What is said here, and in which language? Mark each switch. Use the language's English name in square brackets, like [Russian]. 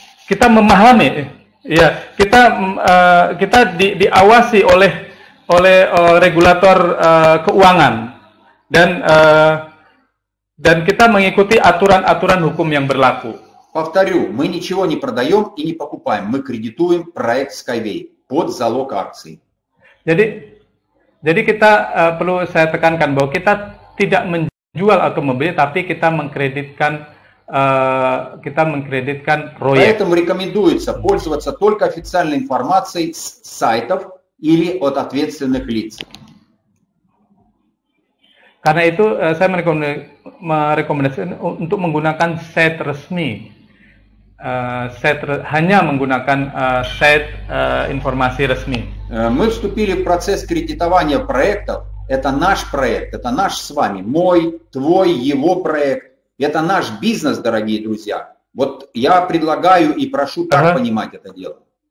[Indonesian] Kita memahami, ya, kita diawasi oleh regulator keuangan dan kita mengikuti aturan-aturan hukum yang berlaku. [Russian] Повторю, мы ничего не продаем и не покупаем, мы кредитуем проект Skyway под залог акций. [Indonesian] Jadi kita perlu saya tekankan bahwa kita tidak menjual atau membeli, tapi kita mengkreditkan kita mengkreditkan proyek. [Russian] Поэтому рекомендуется пользоваться только официальной информацией с сайтов или от ответственных лиц. [Indonesian] Karena itu saya merekomendasikan untuk menggunakan site resmi. Hanya menggunakan site informasi resmi. [Russian] Мы вступили в процесс кредитования проектов. Это наш проект, это наш с вами, мой, твой, его проект. Это наш бизнес, дорогие друзья. Вот я предлагаю и прошу так понимать это дело.